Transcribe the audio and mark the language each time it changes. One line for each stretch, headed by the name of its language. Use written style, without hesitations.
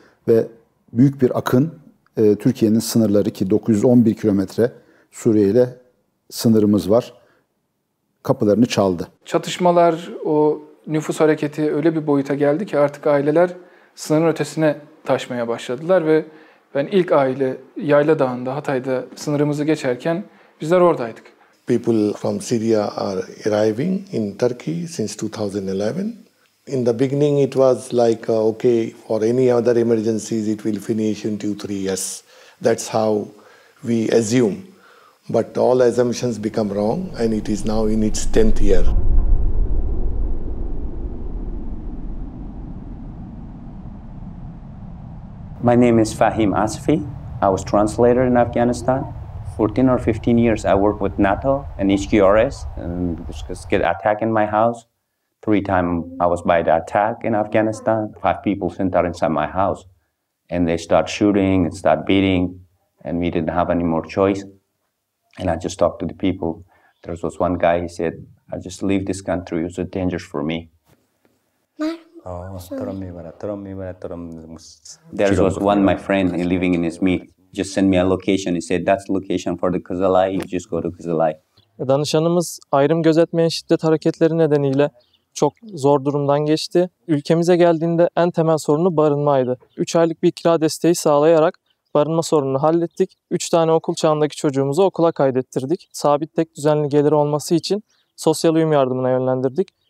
Turkish: Ve büyük bir akın Türkiye'nin sınırları, ki 911 kilometre Suriye ile sınırımız var, kapılarını çaldı. Çatışmalar, o nüfus hareketi öyle bir boyuta geldi ki artık aileler sınırın ötesine taşmaya başladılar. Ve ben ilk aile Yayla Dağı'nda, Hatay'da sınırımızı geçerken bizler oradaydık.
English: People from Syria are arriving in Turkey since 2011. In the beginning it was like, okay, for any other emergencies it will finish in 2-3 years. That's how we assume. But all assumptions become wrong and it is now in its 10th year. My name is Fahim Asfi. I was translator in Afghanistan. 14 or 15 years I worked with NATO and HQRS, and just get attacked in my house. 3 times I was by the attack in Afghanistan. 5 people sent out inside my house and they start shooting and start beating, and we didn't have any more choice. And I just talked to the people. There was one guy, he said, I just leave this country, it's a danger for me. There was one, my friend, living in Izmir. Just send me a location. He said, that's location for the Kızılay. You just go to Kızılay.
Turkish: Danışanımız ayrım gözetmeyen şiddet hareketleri nedeniyle çok zor durumdan geçti. Ülkemize geldiğinde en temel sorunu barınmaydı. 3 aylık bir kira desteği sağlayarak barınma sorununu hallettik. 3 tane okul çağındaki çocuğumuzu okula kaydettirdik. Sabit tek düzenli gelir olması için sosyal uyum yardımına yönlendirdik.